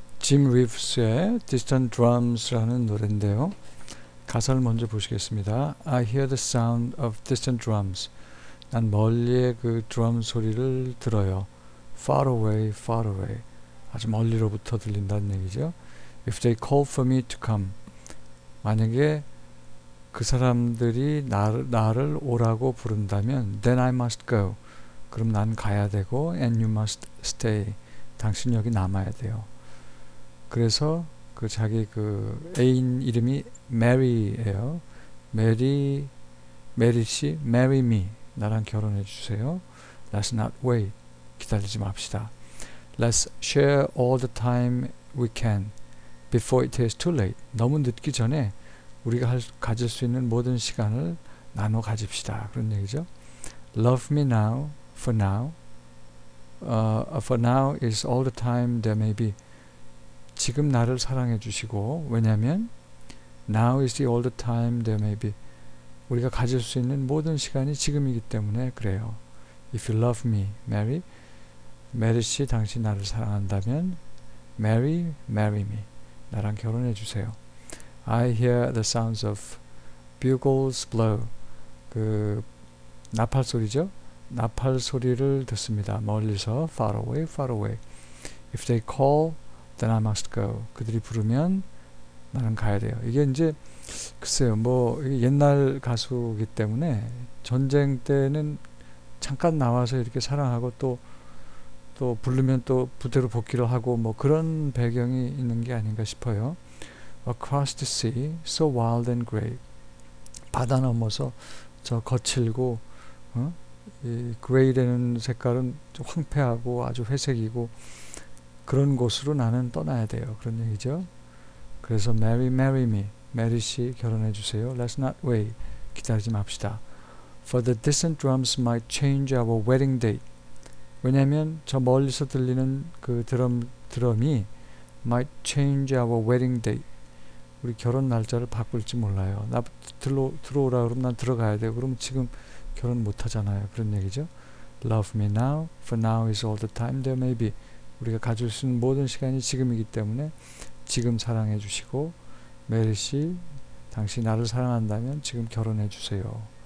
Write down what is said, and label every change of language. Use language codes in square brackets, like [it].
[ko] 짐 리브스의 Distant Drums라는 노래인데요. 가사를 먼저 보시겠습니다. [en] I hear the sound of distant drums. [ko] 난 멀리의 그 드럼 소리를 들어요. [en] Far away, far away. [ko] 아주 멀리로부터 들린다는 얘기죠. [en] If they call for me to come. [ko] 만약에 그 사람들이 나를 오라고 부른다면 [en] Then I must go. [ko] 그럼 난 가야 되고 [en] And you must stay. [ko] 당신 여기 남아야 돼요. 그래서 그 자기 그 애인 이름이 메리예요. [en] 메리 씨, marry me. [ko] 나랑 결혼해 주세요. [en] Let's not wait. [ko] 기다리지 맙시다. [en] Let's share all the time we can before it is too late. [ko] 너무 늦기 전에 우리가 가질 수 있는 모든 시간을 나눠 가집시다. 그런 얘기죠. [en] Love me now, for now. For now is all the time there may be. [ko] 지금 나를 사랑해 주시고, 왜냐면 [en] now is the all the time there may be. [ko] 우리가 가질 수 있는 모든 시간이 지금이기 때문에 그래요. [en] If you love me, Mary, Mary 씨, [ko] 당신 나를 사랑한다면 [en] Mary, marry me. [ko] 나랑 결혼해 주세요. [en] I hear the sounds of bugles blow. [ko] 그 나팔 소리죠? 나팔 소리를 듣습니다. 멀리서 [en] far away, far away. If they call, then I must go. [ko] 그들이 부르면 나는 가야 돼요. 이게 이제 글쎄요. 뭐 옛날 가수이기 때문에 전쟁 때는 잠깐 나와서 이렇게 사랑하고 또 부르면 또 부대로 복귀를 하고 뭐 그런 배경이 있는 게 아닌가 싶어요. [en] Across the sea, so wild and great. [ko] 바다 넘어서 저 거칠고 어? 이 gray라는 색깔은 황폐하고 아주 회색이고 그런 곳으로 나는 떠나야 돼요. 그런 얘기죠. 그래서 [en] Mary, marry me. [ko] Mary 씨 결혼해 주세요. [en] Let's not wait. [ko] 기다리지 맙시다. [en] For the distant drums might change our wedding date. [ko] 왜냐하면 저 멀리서 들리는 그 드럼이 [en] might change our wedding date. [ko] 우리 결혼 날짜를 바꿀지 몰라요. 들어오라 그러면 난 들어가야 돼요. 그러면 지금 결혼 못하잖아요. 그런 얘기죠. [en] Love me now, for now is all the time there may be. [ko] 우리가 가질 수 있는 모든 시간이 지금이기 때문에 지금 사랑해 주시고 메리 씨, 당신 나를 사랑한다면 지금 결혼해 주세요.